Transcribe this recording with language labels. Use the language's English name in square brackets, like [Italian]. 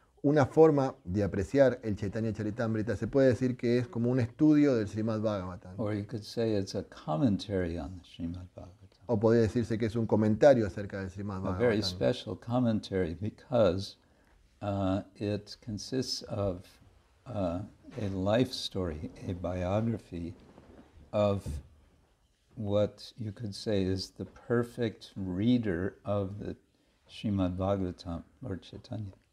[Spanish] Una forma de apreciar el Chaitanya Charitamrita se puede decir que es como un estudio del Srimad Bhagavatam. [English] Or you could say it's a commentary on the Srimad Bhagavatam. [Spanish] O podría decirse que es un comentario acerca del Srimad Bhagavatam. [English] A very special commentary because it consists of a life story, a biography of what you could say is the perfect reader of the Srimad Bhagavatam or Chaitanya.